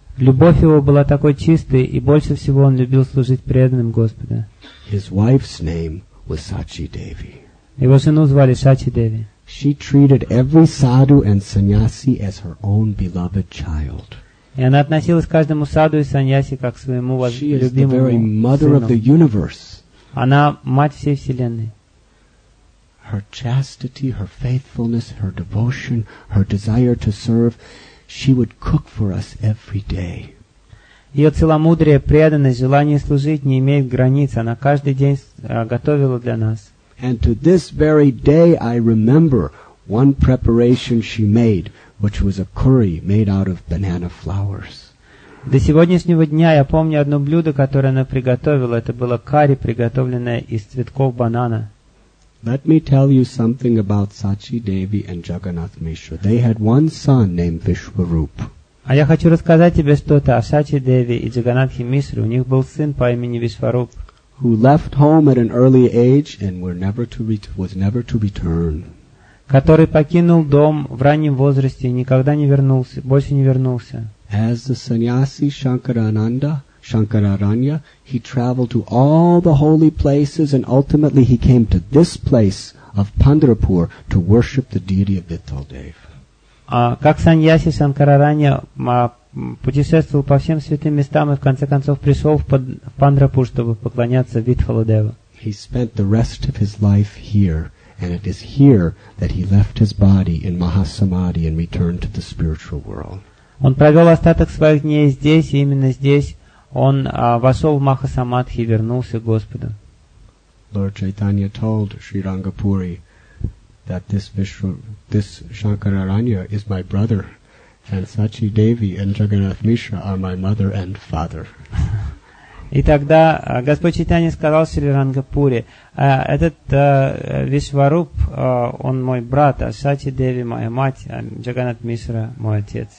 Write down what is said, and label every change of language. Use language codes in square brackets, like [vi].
[ru] Любовь его была такой чистой, и больше всего он любил служить преданным Господа. [en] His wife's name was Sachi Devi. [ru] Его жену звали Сачи Деви. [en] She treated every sadhu and sannyasi as her own beloved child. [ru] И она относилась к каждому саду и саньяси как к своему любимому сыну. [en] She is the very mother of the universe. [ru] Она мать всей вселенной. [en] Her chastity, her faithfulness, her devotion, her desire to serve. She would cook for us every day. [ru] Ее целомудрие, преданность, желание служить не имеет границ. Она каждый день готовила для нас. [en] And to this very day, I remember one preparation she made, which was a curry made out of banana flowers. [ru] До сегодняшнего дня я помню одно блюдо, которое она приготовила. Это было карри, приготовленное из цветков банана. [en] Let me tell you something about Sachi Devi and Jagannath Mishra. They had one son named Vishwaroop. [ru] А я хочу рассказать тебе что-то о Сачи Деви и Джаганатхе Мишре. У них был сын по имени Вишваруп. [en] Who left home at an early age and was never to return. [ru] Который покинул дом в раннем возрасте и никогда не вернулся, больше не вернулся. [en] As the sannyasi Shankararanya, he traveled to all the holy places and ultimately he came to this place of Pandharapur to worship the deity of Vitthal Dev. [ru] как саньяси Шанкарарани путешествовал по всем святым местам и в конце концов пришел в Пандрапур, чтобы поклоняться Витхаладеву. [en] He spent the rest of his life here, and it is here that he left his body in Mahasamadhi and returned to the spiritual world. [ru] Он провел остаток своих дней здесь, и именно здесь он вошел в Махасамадхи и вернулся к Господу. [en] Lord Chaitanya told Sri Rangapuri that this Shankararanya is my brother, and Sachi Devi and Jagannath Mishra are my mother and father. [ru] И тогда Господь Чайтанья сказал Шри Рангапуре, этот Вишваруп, он мой брат, а Сачи Деви моя мать, а Джаганат Мишра мой отец.